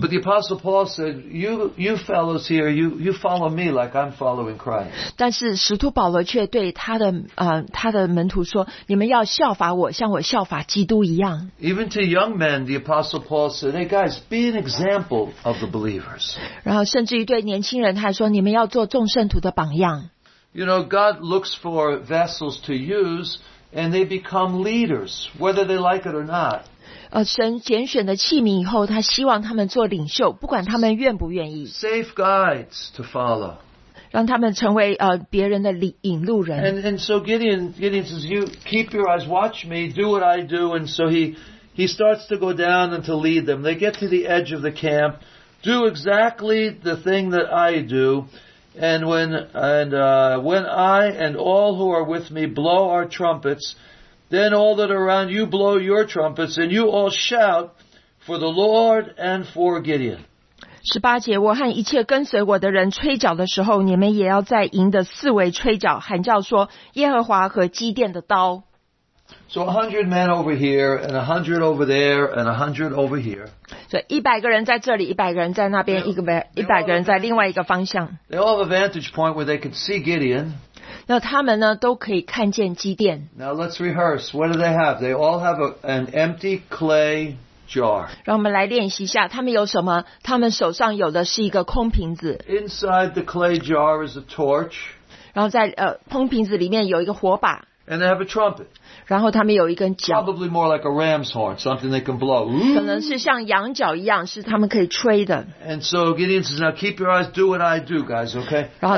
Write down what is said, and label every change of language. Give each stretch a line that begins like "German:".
English: But the Apostle Paul said, you fellows here, you follow me like I'm following Christ.
Chinese: 但是使徒保罗却对他的, 他的门徒说, 你们要效法我, 像我效法基督一样。
English: Even to young men, the Apostle Paul said, hey guys, be an example of the believers.
Chinese: 然后甚至于对年轻人, 他说, 你们要做众圣徒的榜样。
English: You know, God looks for vessels to use, and they become leaders, whether they like it or not.
Chinese: 神拣选的器皿以后, 他希望他们做领袖, 不管他们愿不愿意。
English: Safe guides to follow.
Chinese: 让他们成为, 别人的引路人。
English: And so Gideon says, you keep your eyes, watch me, do what I do. And so he starts to go down and to lead them. They get to the edge of the camp, do exactly the thing that I do. And when I and all who are with me blow our trumpets, Then all that are around you blow your trumpets, and you all shout for the Lord and for Gideon.
Chinese: 十八节，我和一切跟随我的人吹角的时候，你们也要在营的四围吹角，喊叫说：耶和华和基甸的刀。
English: So 100 men over here, and 100 over there, and 100 over here.
Chinese: 所以一百个人在这里，一百个人在那边，一百个人在另外一个方向。
English: They all have a vantage point where they can see Gideon.
Chinese: 那他们呢，都可以看见基甸。
English: Now let's rehearse. What do they have? They all have an empty clay jar.
Chinese: 让我们来练习一下，他们有什么？他们手上有的是一个空瓶子。
English: Inside the clay jar is a torch.
Chinese: 然后在空瓶子里面有一个火把。
English: And they have a trumpet.
Chinese: 然后他们有一根角。
English: Probably more like a ram's horn, something they can blow.
Chinese: 可能是像羊角一样，是他们可以吹的。
English: And so Gideon says, "Now keep your eyes, do what I do, guys, okay?"